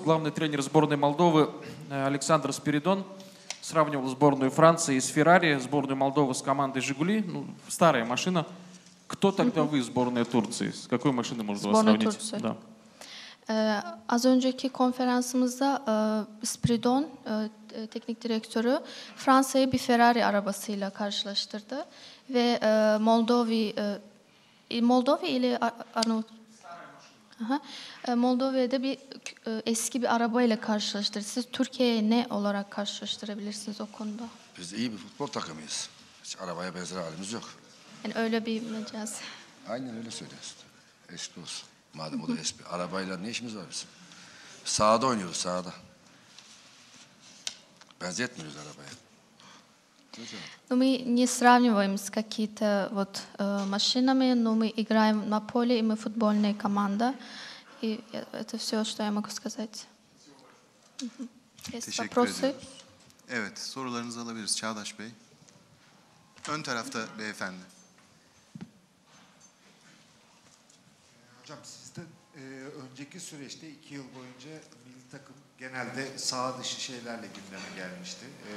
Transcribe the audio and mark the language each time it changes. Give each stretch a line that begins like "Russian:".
Russian: Главный тренер сборной Молдовы Александр Спиридон сравнивал сборную Франции с Феррари, сборную Молдовы с командой Жигули. Ну, старая машина. Кто тогда вы, сборная Турции? С какой машиной можно вас сравнить? Сборная Турции. Да.
Turkish: Az önceki konferansımızda Spridon teknik direktörü Fransa'yı bir Ferrari arabasıyla karşılaştırdı ve Moldova'da bir eski bir arabayla karşılaştırdı. Siz Türkiye'ye ne olarak karşılaştırabilirsiniz o konuda? Biz iyi bir futbol takımıyız. Hiç arabaya benzer halimiz yok. Yani öyle bir mecaz. Aynen öyle söylüyorsun. Eski olsun. Madem o da eski, arabayla ne işimiz var bizim? Sahada oynuyoruz, sahada. Benzetmiyoruz arabaya.
Russian: Ну мы не сравниваем с какие-то вот машинами, но мы играем на поле, и мы футбольная команда. И это все, что я могу сказать. Есть вопросы?
Turkish: Evet, sorularınızı alabiliriz Çağdaş Bey. Ön tarafta beyefendi. Hocam sizde önceki süreçte iki yıl boyunca milli takım genelde saha dışı şeylerle gündeme gelmişti.